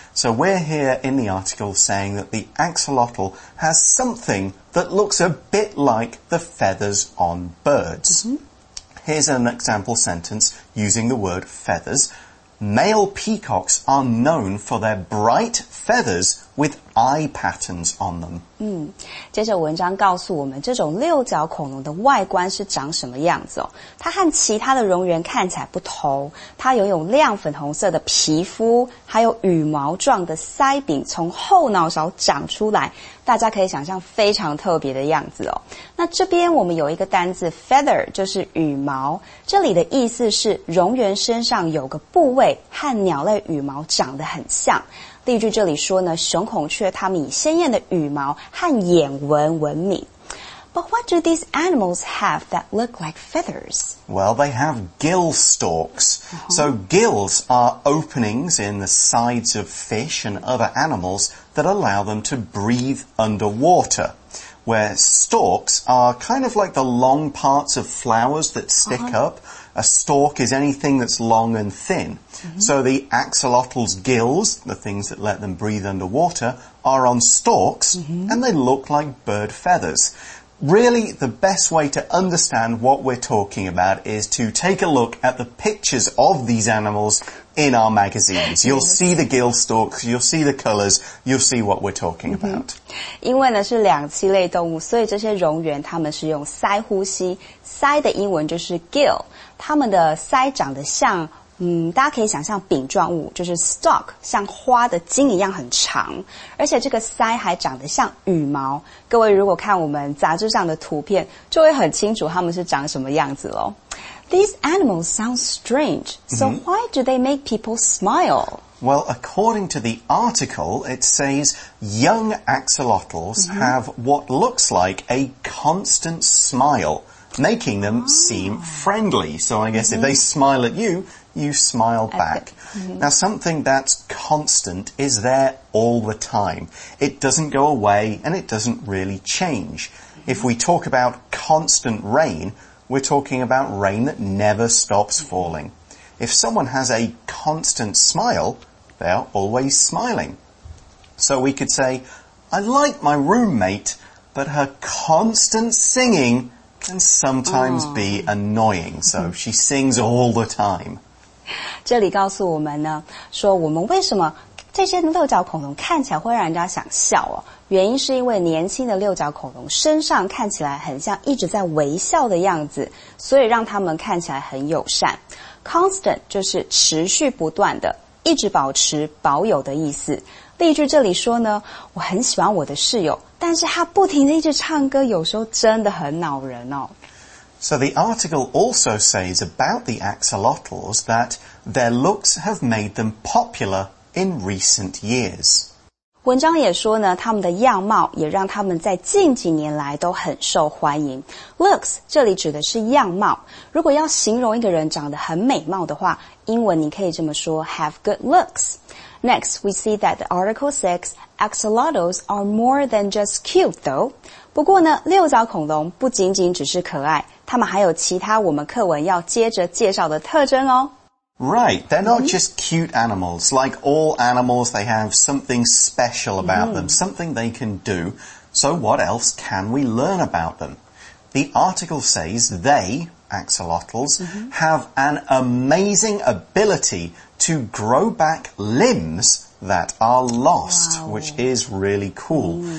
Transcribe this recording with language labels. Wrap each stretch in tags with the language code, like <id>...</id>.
<en>So we're here in the article saying that the axolotl has something that looks a bit like the feathers on birds. Here's an example sentence using the word feathers. Male peacocks are known for their bright feathers with eye patterns on them.</en> <zh>接着文章告诉我们这种六角恐龙的外观是长什么样子哦。它和其他的蝾螈看起来不同，它拥有亮粉红色的皮肤，还有羽毛状的腮柄从后脑勺长出来，大家可以想象非常特别的样子哦。那这边我们有一个单字 feather， 就是羽毛，这里的意思是蝾螈身上有个部位和鸟类羽毛长得很像。例句这里说呢，雄孔雀它们以鲜艳的羽毛和眼纹闻名。</zh> <en>But what do these animals have that look like feathers? Well, they have gill stalks. So gills are openings in the sides of fish and other animals that allow them to breathe underwater. Where stalks are kind of like the long parts of flowers that stick up. A stalk is anything that's long and thin. So the axolotl's gills, the things that let them breathe underwater, are on stalks, and they look like bird feathers. Really, the best way to understand what we're talking about is to take a look at the pictures of these animals in our magazines. You'll see the gill stalks, you'll see the colors, you'll see what we're talking about.</en> <zh>因为呢是两栖类动物，所以这些蝾螈它们是用鳃呼吸，鳃的英文就是 gill, 它们的鳃长得像大家可以想象柄状物，就是 stalk, 像花的茎一样很长，而且这个鳃还长得像羽毛。各位如果看我们杂志上的图片，就会很清楚它们是长什么样子咯。</zh> <en>These animals sound strange, so why do they make people smile? Well, according to the article, it says young axolotls have what looks like a constant smile, making them seem friendly. So I guess if they smile at you, you smile back. Mm-hmm. Now, something that's constant is there all the time. It doesn't go away and it doesn't really change. Mm-hmm. If we talk about constant rain, we're talking about rain that never stops falling. If someone has a constant smile, they are always smiling. So we could say, I like my roommate, but her constant singing can sometimes be annoying. So she sings all the time.</en> <zh>这里告诉我们呢，说我们为什么这些六角恐龙看起来会让人家想笑哦，原因是因为年轻的六角恐龙身上看起来很像一直在微笑的样子，所以让他们看起来很友善。 Constant 就是持续不断的，一直保持保有的意思。例句这里说呢，我很喜欢我的室友，但是他不停地一直唱歌，有时候真的很恼人哦。</zh> <en>So the article also says about the axolotls that their looks have made them popular in recent years.</en> <zh>文章也说呢，他们的样貌也让他们在近几年来都很受欢迎。 Looks 这里指的是样貌。如果要形容一个人长得很美貌的话，英文你可以这么说 ,</zh> <en>have good looks. Next, we see that the article says axolotls are more than just cute though.</en> <zh>不过呢，六角恐龙不仅仅只是可爱，他们还有其他我们课文要接着介绍的特征哦。</zh> <en>Right, they're not just cute animals. Like all animals, they have something special about them, something they can do. So what else can we learn about them? The article says they, axolotls, have an amazing ability to grow back limbs that are lost, which is really cool.</en>